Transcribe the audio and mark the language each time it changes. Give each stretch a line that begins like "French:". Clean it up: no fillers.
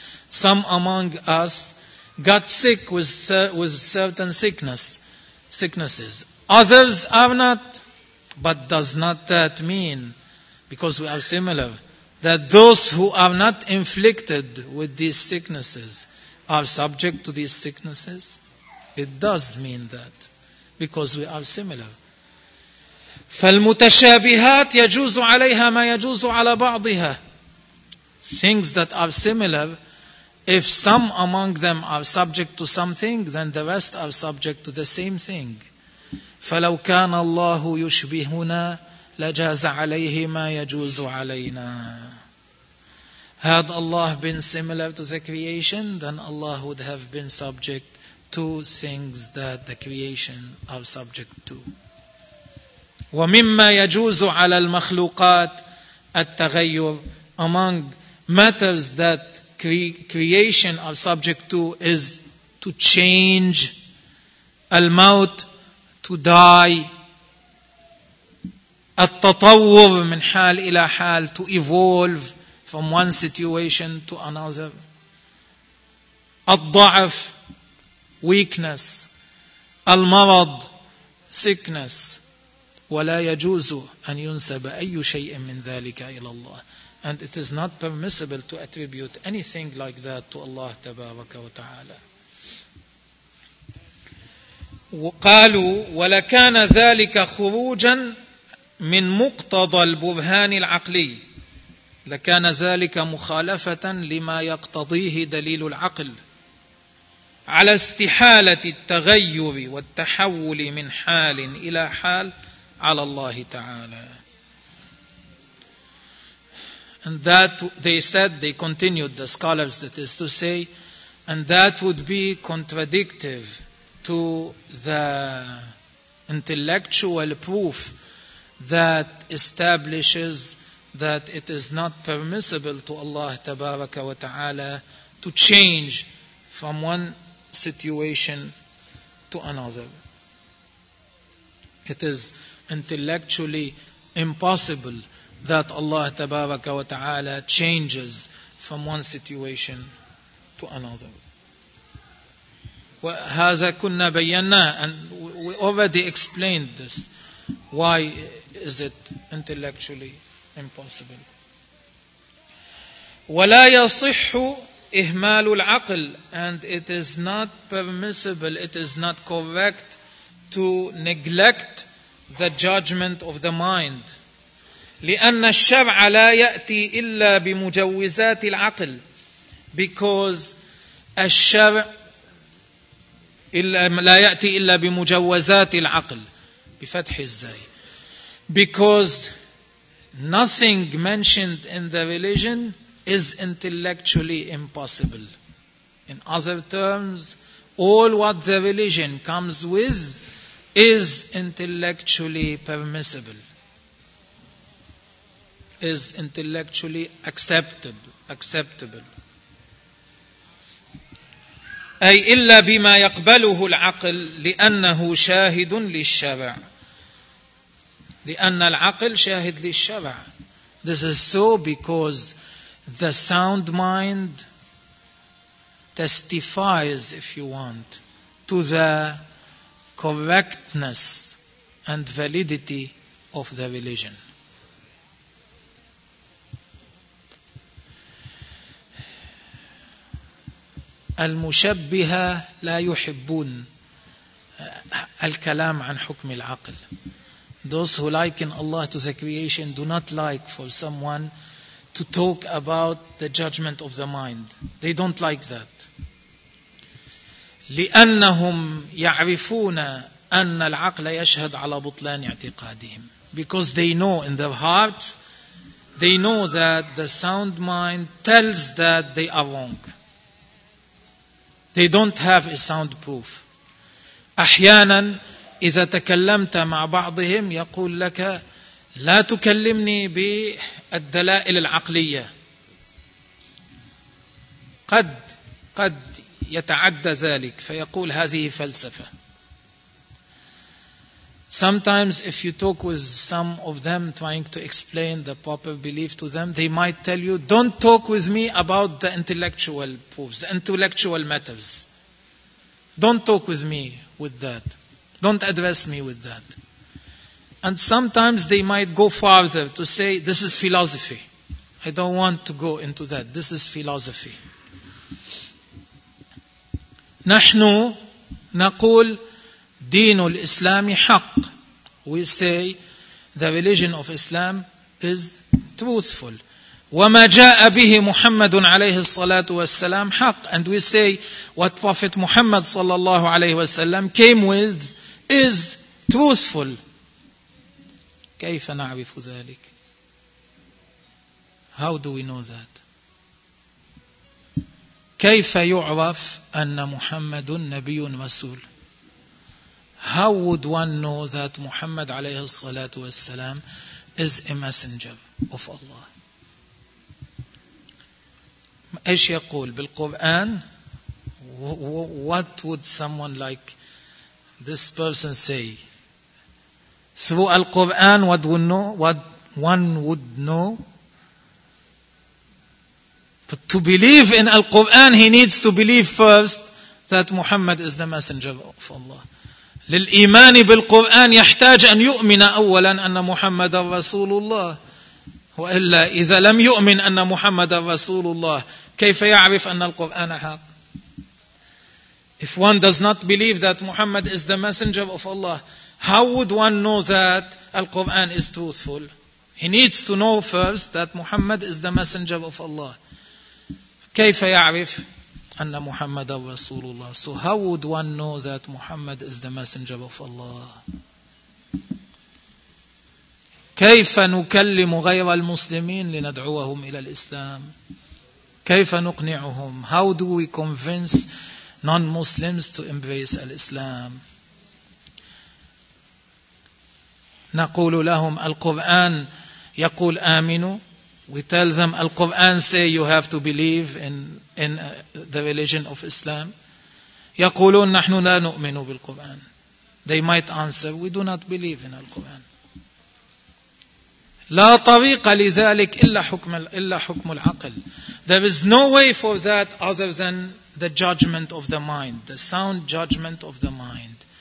English: Some among us got sick with certain sicknesses Others are not But does not that mean because we are similar that those who are not inflicted with these sicknesses are subject to these sicknesses? It does mean that because we are similar.
Arabic: فالمتشابهات يجوز عليها ما يجوز على بعضها.
English: Things that are similar, if some among them are subject to something, then the rest are subject to the same thing.
Arabic: فلو كان الله يشبهنا لجاز عليه ما يجوز علينا.
English: Had Allah been similar to the creation, then Allah would have been subject two things that the creation are subject to.
Arabic: وَمِمَّا يَجُوزُ عَلَى الْمَخْلُوقَاتِ التَّغَيُّرِ
English: Among matters that creation are subject to is to change, الموت, to die,
Arabic: التطور من حال إلى حال,
English: to evolve from one situation to another,
Arabic: الضعف, weakness, المرض, sickness, ولا يجوز أن ينسب أي شيء من ذلك إلى الله.
English: And it is not permissible to attribute anything like that to Allah
Arabic: تبارك وتعالى. وقالوا ولكان ذلك خروجا من مقتضى البرهان العقلي. لكان ذلك مخالفة لما يقتضيه دليل العقل. على استحالة التغير والتحول من حال إلى حال على الله تعالى.
English: And that they said, they continued, the scholars that is to say, and that would be contradictive to the intellectual proof that establishes that it is not permissible to Allah
Arabic: تبارك وتعالى
English: to change from one situation to another. It is intellectually impossible that Allah Tabaraka wa Ta'ala changes from one situation to another.
Arabic: وَهَذَا كُنَّا بَيَّنَّا
English: And we already explained this. Why is it intellectually impossible?
Arabic: وَلَا يَصِحُّ إهمال العقل
English: and it is not permissible, it is not correct to neglect the judgment of the mind.
Arabic: لأن الشرع لا يأتي إلا بمجوزات العقل because الشرع لا يأتي إلا بمجوزات العقل بفتح الزاي
English: because nothing mentioned in the religion is intellectually impossible. In other terms, all what the religion comes with is intellectually permissible, is intellectually acceptable.
Arabic: أي إلا بما يقبله العقل لأنه شاهد للشرع. لأن العقل شاهد للشرع.
English: This is so because the sound mind testifies, if you want, to the correctness and validity of the religion.
Arabic: المشبهة لا يحبون الكلام عن حكم العقل.
English: Those who liken Allah to the creation do not like for someone to talk about the judgment of the mind. They don't like that.
Arabic: لأنهم يعرفون أن العقل يشهد على بطلان اعتقادهم.
English: Because they know in their hearts, they know that the sound mind tells that they are wrong. They don't have a sound proof.
Arabic: أحيانا إذا تكلمت مع بعضهم يقول لك لا تكلمني بالدلائل العقلية. قد يتعدى ذلك فيقول هذه فلسفة.
English: Sometimes if you talk with some of them trying to explain the proper belief to them, they might tell you, don't talk with me about the intellectual proofs, the intellectual matters. Don't talk with me with that. Don't address me with that. And sometimes they might go farther to say, this is philosophy. I don't want to go into that. This is philosophy.
Arabic: نحن نقول دين الإسلام حق.
English: We say the religion of Islam is truthful.
Arabic: وما جاء به محمد عليه الصلاة والسلام حق.
English: And we say what Prophet Muhammad
Arabic: صلى الله عليه وسلم
English: came with is truthful.
Arabic: كيف نعرف ذلك؟
English: How do we know that?
Arabic: كيف يعرف أن محمد نبي رسول؟
English: How would one know that Muhammad
Arabic: عليه الصلاة والسلام
English: is a messenger of Allah?
Arabic: إيش يقول بالقرآن؟
English: What would someone like this person say? Through Al-Quran, what would know? What one would know? But to believe in Al-Quran, he needs to believe first that Muhammad is the messenger of Allah.
Arabic: للإيمان بالقرآن يحتاج أن يؤمن أولا أن محمد رسول الله وإلا إذا لم يؤمن أن محمد رسول الله كيف يعرف أن القرآن حق؟
English: If one does not believe that Muhammad is the messenger of Allah, how would one know that Al-Quran is truthful? He needs to know first that Muhammad is the messenger of Allah.
Arabic: كيف يعرف أن محمد رسول الله.
English: So how would one know that Muhammad is the messenger of Allah?
Arabic: كيف نكلم غير المسلمين لندعوهم إلى الإسلام. كيف نقنعهم.
English: How do we convince non-Muslims to embrace Islam?
Arabic: نقول لهم القرآن يقول آمنوا.
English: We tell them, Al-Quran say you have to believe in the religion of Islam.
Arabic: يقولون نحن لا نؤمن بالقرآن.
English: They might answer, we do not believe in Al-Quran.
Arabic: لا طريق لذلك إلا حكم العقل.
English: There is no way for that other than the judgment of the mind, the sound judgment of the mind.